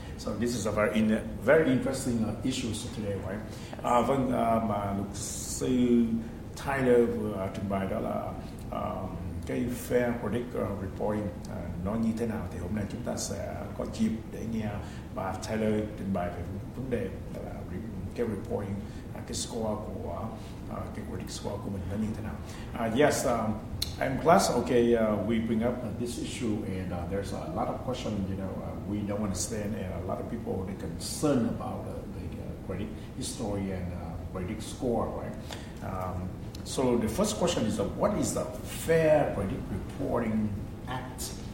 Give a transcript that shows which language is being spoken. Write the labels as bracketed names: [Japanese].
[English] So this is a very interesting issue today, right? Even Tyler to buy dollar [Vietnamese] cái fair credit reporting nó như thế nào thì hôm nay chúng ta sẽ có dịp để nghe bà Tyler trình bày về vấn đề là cái reporting cái score của cái credit score của mình nó như thế nào. [English] Yes. I'm glad, we bring up this issue, and there's a lot of questions, we don't understand, and a lot of people are concerned about the credit history and credit score, right? So the first question is, what is the Fair Credit Reporting Act?